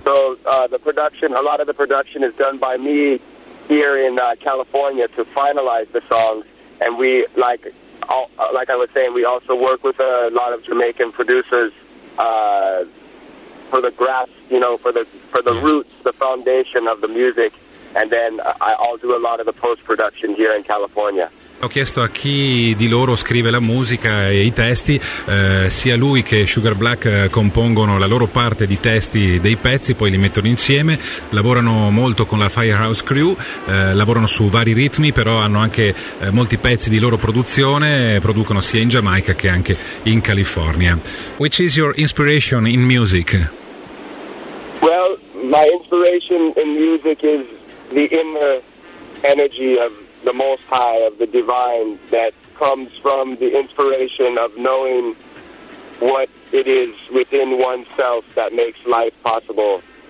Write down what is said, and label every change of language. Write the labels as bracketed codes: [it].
[en] So the production, a lot of the production is done by me here in California to finalize the songs. And we, like I was saying, we also work with a lot of Jamaican producers for the grass, you know, for the yeah, roots, the foundation of the music. And then I'll do a lot of the post-production here in California. [it] Ho chiesto a chi di loro scrive la musica e i testi, sia lui che Sugar Black compongono la loro parte di testi dei pezzi, poi li mettono insieme, lavorano molto con la Firehouse Crew, lavorano su vari ritmi, però hanno anche molti pezzi di loro produzione, producono sia in Giamaica che anche in California. [en] Which is your inspiration in music? Well, my inspiration in music is the inner energy of the Most High, of the divine that comes from the inspiration of knowing what it is within oneself that makes life possible.